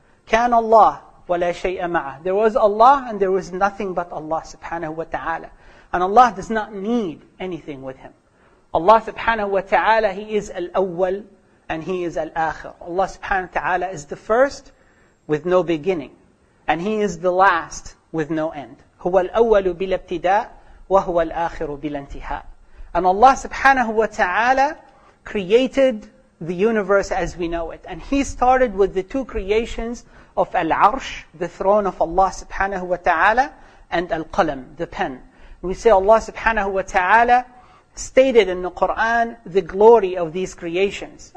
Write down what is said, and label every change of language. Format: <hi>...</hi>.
<ar>Kan Allah wa la shay'a ma'ah.</ar> <en>There was Allah and there was nothing but Allah subhanahu wa ta'ala. And Allah does not need anything with Him. Allah subhanahu wa ta'ala, He is al-awwal and He is al-akhir. Allah subhanahu wa ta'ala is the first with no beginning. And He is the last with no end.</en> <ar>هو الأول بلا ابتداء وهو الآخر بلا انتهاء.</ar> <en>And Allah subhanahu wa ta'ala created the universe as we know it. And He started with the two creations of Al-Arsh, the throne of Allah subhanahu wa ta'ala, and Al-Qalam, the pen. We say Allah subhanahu wa ta'ala stated in the Qur'an the glory of these creations.</en>